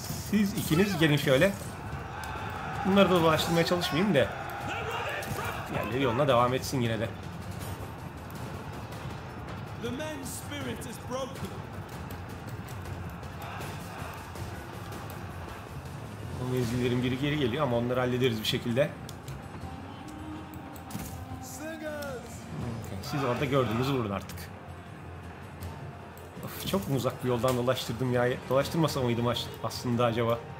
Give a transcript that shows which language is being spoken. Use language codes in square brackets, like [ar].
[tr] Siz ikiniz gelin şöyle. Bunları da dolaştırmaya çalışmayayım da. Diğerleri yoluna devam etsin yine de. [en] The men's spirit is broken. [tr] O menzillerin biri geri geliyor ama onları hallederiz bir şekilde. Okay. Siz orada gördüğünüzü vurun artık. Of, çok mu uzak bir yoldan dolaştırdım ya? Dolaştırmasam mıydım aslında acaba?